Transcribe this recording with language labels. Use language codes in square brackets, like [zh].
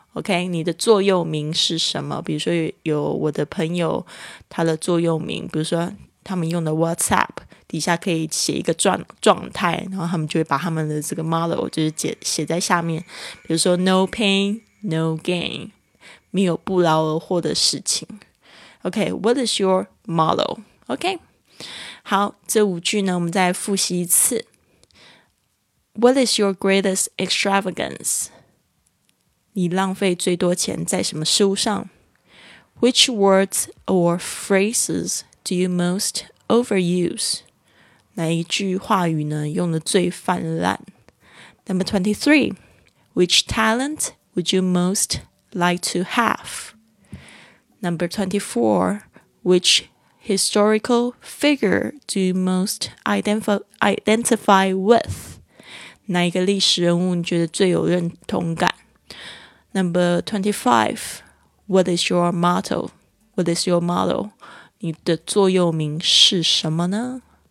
[zh] OK， 你的座右铭是什么？比如说有我的朋友他的座右铭，比如说他们用的 WhatsApp 底下可以写一个状态，然后他们就会把他们的这个 model 就是 写在下面，比如说 [en] No pain, no gain， [zh] 没有不劳而获的事情。 [en] OK， What is your model? [zh] OK， 好，这五句呢我们再复习一次。 [en] What is your greatest extravagance? [zh] 你浪费最多钱在什么事物上？ [en] Which words or phrases do you most overuse? [zh] 哪一句话语呢用得最泛滥？ [en] Number 23. Which talent would you most like to have? Number 24. Which historical figure do you most identify with? [zh] 哪一个历史人物你觉得最有认同感？ [en] Number 25, what is your motto? What is your motto? [zh] 你的座右铭是什么呢？